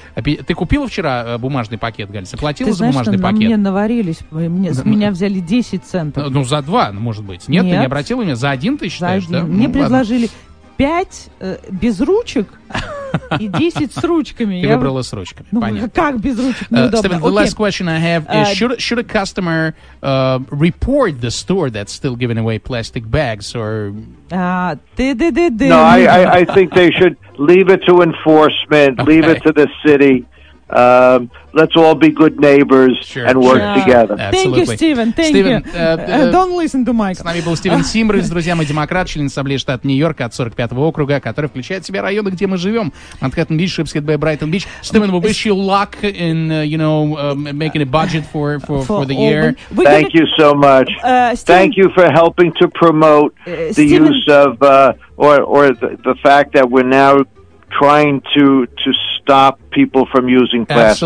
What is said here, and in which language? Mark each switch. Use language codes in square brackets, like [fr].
[ru] Ты купила вчера бумажный пакет, Галь? Заплатила знаешь, за бумажный что, пакет? Мне наварились. Мне, с меня взяли 10 центов. Ну, за два, может быть. Нет, ты не обратила меня? За один ты считаешь, за один. Да? Мне предложили... Ладно. 5 без ручек и 10 с ручками. Ты выбрала с ручками, понятно. Ну, как без ручек? Неудобно. [en] Stephen, the last question I have is, should a customer report the store that's still giving away plastic bags? No, I think they should leave it to enforcement, leave it to the city. Let's all be good neighbors and work together. Absolutely. Thank you, Stephen. Don't listen to Mike. [ru] С нами был Стивен Симбриз, друзья мои, демократ, член Ассамблеи штата Нью-Йорк от 45-го округа, который включает в себя районы, где мы живем. Манхэттен Бич, Шипсхед Бэй, Брайтон Бич. [en] Стивен, we wish you luck in, you know, making a budget for the year. Thank you so much. Thank you for helping to promote the use of, or the fact that we're now trying to stop people from using plastic